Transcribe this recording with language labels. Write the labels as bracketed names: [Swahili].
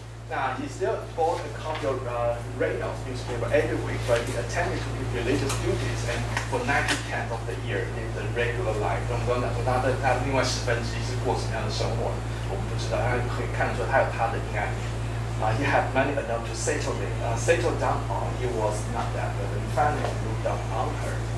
[English] 那 he still bought a copy of Reynolds newspaper every week, but he attended to his religious duties and for 90% of the year in the regular life。 [Chinese] 我们刚刚讲说他另外十分之一是过什么样的生活，我们不知道。但可以看出他有他的阴暗面。 [English] He had money enough to settle down on. He was not that, but he finally looked down on her。